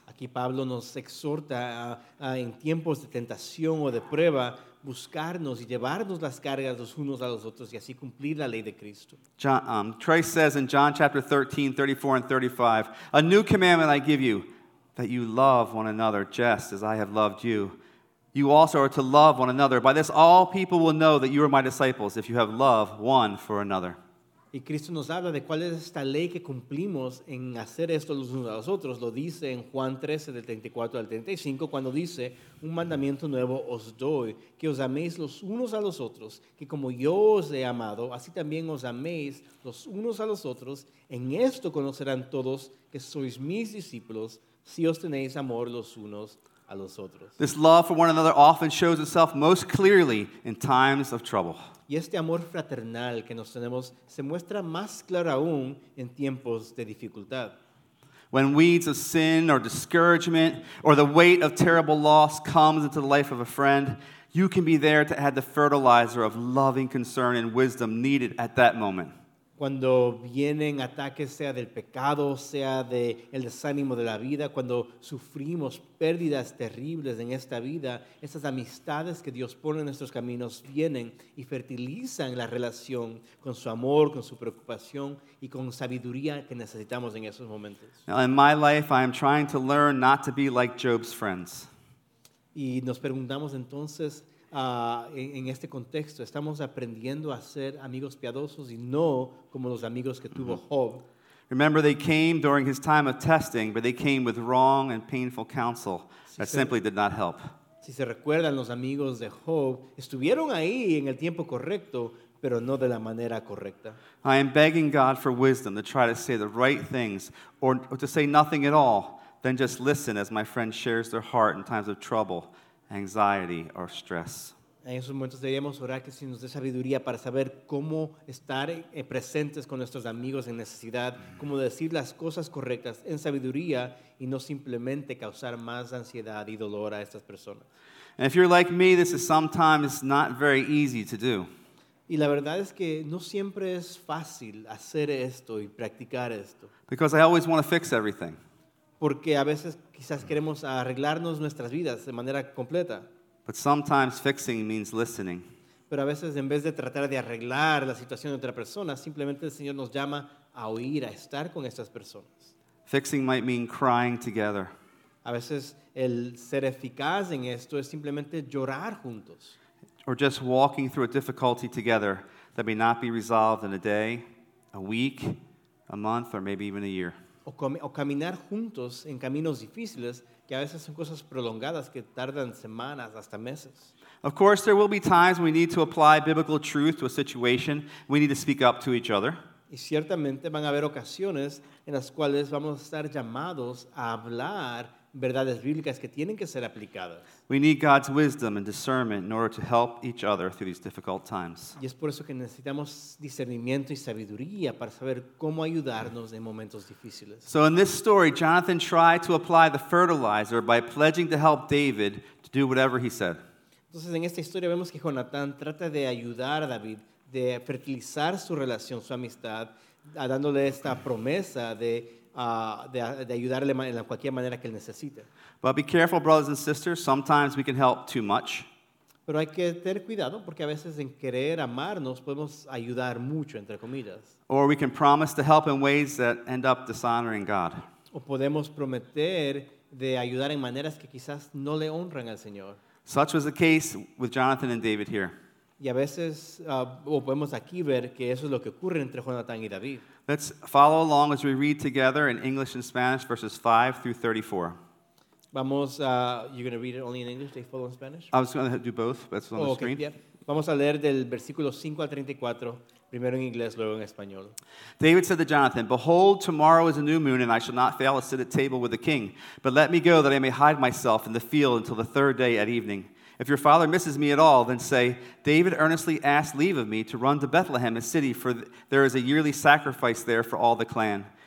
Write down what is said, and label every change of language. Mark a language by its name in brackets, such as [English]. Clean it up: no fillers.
[Spanish] Aquí Pablo nos exhorta a en tiempos de tentación o de prueba, buscarnos y llevarnos las cargas los unos a los otros y así cumplir la ley de Cristo. [English] Christ says in John chapter 13, 34 and 35, "A new commandment I give you, that you love one another just as I have loved you. You also are to love one another. By this all people will know that you are my disciples, if you have love one for another." [Spanish] Y Cristo nos habla de cuál es esta ley que cumplimos en hacer esto los unos a los otros. Lo dice en Juan 13, del 34 al 35, cuando dice, "Un mandamiento nuevo os doy, que os améis los unos a los otros, que como yo os he amado, así también os améis los unos a los otros. En esto conocerán todos que sois mis discípulos, si os tenéis amor los unos a los otros." [English] This love for one another often shows itself most clearly in times of trouble. [Spanish] Y este amor fraternal que nos tenemos se muestra más claro aún en tiempos de dificultad. [English] When weeds of sin or discouragement or the weight of terrible loss comes into the life of a friend, you can be there to add the fertilizer of loving concern and wisdom needed at that moment. [Spanish] Cuando vienen ataques, sea del pecado, sea del desánimo de la vida, cuando sufrimos pérdidas terribles en esta vida, esas amistades que Dios pone en nuestros caminos vienen y fertilizan la relación con su amor, con su preocupación y con sabiduría que necesitamos en esos momentos. [English] Now, in my life, I am trying to learn not to be like Job's friends. [Spanish] Y nos preguntamos entonces, en este contexto, estamos aprendiendo a ser amigos piadosos y no como los amigos que tuvo Job. [English] Remember, they came during his time of testing, but they came with wrong and painful counsel that simply did not help. [Spanish] Si se recuerdan, los amigos de Job estuvieron ahí en el tiempo correcto, pero no de la manera correcta. [English] I am begging God for wisdom to try to say the right things or to say nothing at all, then just listen as my friend shares their heart in times of trouble, anxiety or stress. [Spanish] En esos momentos deberíamos orar que si nos dé sabiduría para saber cómo estar presentes con nuestros amigos en necesidad, cómo decir las cosas correctas en sabiduría y no simplemente causar más ansiedad y dolor a estas personas. [English] And if you're like me, this is sometimes not very easy to do. [Spanish] Y la verdad es que no siempre es fácil hacer esto y practicar esto. [English] Because I always want to fix everything. [Spanish] Porque a veces quizás queremos arreglarnos nuestras vidas de manera completa. [English] But sometimes fixing means listening. [Spanish] Pero a veces en vez de tratar de arreglar la situación de otra persona, simplemente el Señor nos llama a oír, a estar con estas personas. [English] Fixing might mean crying together. [Spanish] A veces el ser eficaz en esto es simplemente llorar juntos. [English] Or just walking through a difficulty together that may not be resolved in a day, a week, a month, or maybe even a year. [Spanish] O caminar juntos en caminos difíciles que a veces son cosas prolongadas que tardan semanas hasta meses. [English] Of course, there will be times we need to apply biblical truth to a situation. We need to speak up to each other. [Spanish] Y ciertamente van a haber ocasiones en las cuales vamos a estar llamados a hablar verdades bíblicas que tienen que ser aplicadas. [English] We need God's wisdom and discernment in order to help each other through these difficult times. [Spanish] Y es por eso que necesitamos discernimiento y sabiduría para saber cómo ayudarnos en momentos difíciles. [English] So in this story, Jonathan tried to apply the fertilizer by pledging to help David to do whatever he said. [Spanish] Entonces en esta historia vemos que Jonathan trata de ayudar a David, de fertilizar su relación, su amistad, dándole esta promesa de ayudarle en cualquier manera que él necesite. [English] But be careful, brothers and sisters. Sometimes we can help too much. [Spanish] Pero hay que tener cuidado porque a veces en querer amarnos podemos ayudar mucho, entre comillas. [English] Or we can promise to help in ways that end up dishonoring God. [Spanish] O podemos prometer de ayudar en maneras que quizás no le honran al Señor. [English] Such was the case with Jonathan and David here. [Spanish] Y a veces, o podemos aquí ver que eso es lo que ocurre entre Jonathan y David. [English] Let's follow along as we read together in English and Spanish verses 5 through 34. [Spanish] Vamos, [English] you're going to read it only in English, they follow in Spanish? I was going to do both, but it's on the screen. Yeah. [Spanish] Vamos a leer del versículo 5 al 34, primero en inglés, luego en español. [English] David said to Jonathan, "Behold, tomorrow is a new moon, and I shall not fail to sit at table with the king. But let me go that I may hide myself in the field until the third day at evening. If your father misses me at all, then say, David earnestly asked leave of me to run to Bethlehem, his city, for there is a yearly sacrifice there for all the clan.